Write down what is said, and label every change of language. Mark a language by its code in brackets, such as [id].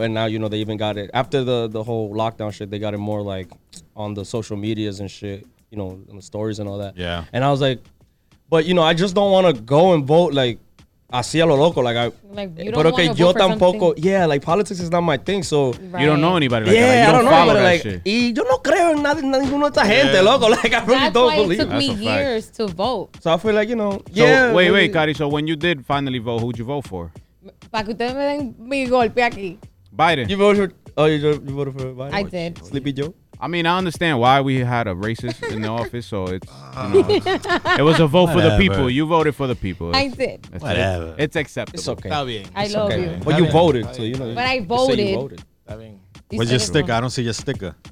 [en] And now, you know, they even got it. After the whole lockdown shit, they got it more, like, on the social medias and shit. You know, on the stories and all that. Yeah. And I was like, but, you know, I just don't want to go and vote, like, [es] así a lo loco. [en] Like, I... Like, you don't want to vote [es] tampoco, [en] something. Yeah, like, politics is not my thing, so... Right. You don't know anybody like that. Yeah, don't know anybody like... [es] Y yo no creo en ninguno de esta gente, loco. [en] Like, I really don't believe... That's why it took me years to vote. So I feel like, you know... So, yeah. Wait, Cari. So when you did finally vote, who'd you vote for? [es] Para que ustedes me den mi golpe aquí. [en] Biden. You voted for... Oh, you voted for Biden? I did. Sleepy Joe? I mean, I understand why we had a racist in the office, so it's... it was a vote for the people. You voted for the people. I did. That's whatever. It's acceptable. It's okay. [es] Está bien. [en] I love okay. you. But you voted, so you know. But I voted. What's your sticker? I don't see your sticker.